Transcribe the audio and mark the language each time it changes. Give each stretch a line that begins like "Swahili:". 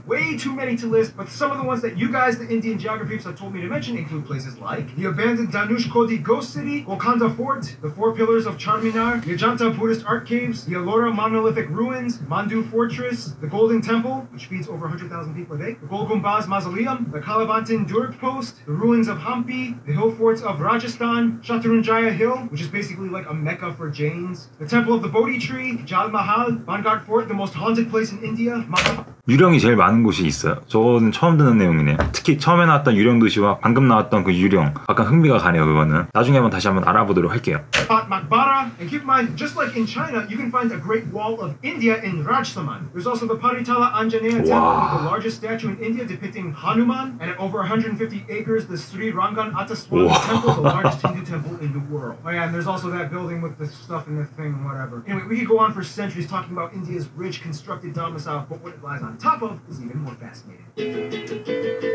English: way too many to list, but some of the ones that you guys, the Indian geographers, have told me to mention include places like the abandoned Dhanushkodi ghost city, Golconda Fort, the Four Pillars of Charminar, the Ajanta Buddhist art caves, the Ellora monolithic ruins, Mandu Fortress, the Golden Temple, which feeds over 100,000 people a day, the Gol Gumbaz Mausoleum, the Kalibantan Durk Post, the ruins of Hampi, the hill forts of Rajasthan, Shatrunjaya Hill, which is basically like a Mecca for Jains, the Temple of the Bodhi Tree, Jal Mahal, Bangar Fort, the most haunted place in India.
Korean: 유령이 제일 많은 곳이 있어요. 저거는 처음 듣는 내용이네요. 특히 처음에 나왔던 유령 도시와 방금 나왔던 그 유령. 약간 흥미가 가네요, 그거는. 나중에 한번 다시 한번 알아보도록 할게요.
English: Fort Makbara, and keep in mind, just like in China, you can find a Great Wall of India in Rajsamand. There's also the Paritala Anjaneya Temple, the largest statue in India depicting Hanuman, and at over 150 acres, the Sri Rangan Ataswara Temple, the largest Hindu temple in the world. Oh yeah, and there's also that building with the stuff and the thing and whatever. Anyway, we could go on for centuries talking about India's rich constructed domicile, but what it lies on top of is even more fascinating.